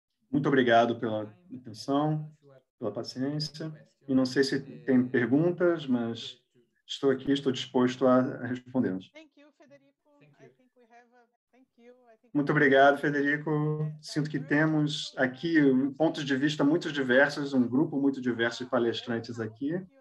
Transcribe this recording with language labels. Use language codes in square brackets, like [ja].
[pt] Muito obrigado pela atenção, pela paciência. E não sei se tem perguntas, mas estou aqui, estou disposto a responder. [en] Thank you, Federico. Thank you. I think we [pt] Muito obrigado, Federico. Sinto que temos aqui pontos de vista muito diversos, um grupo muito diverso de palestrantes aqui.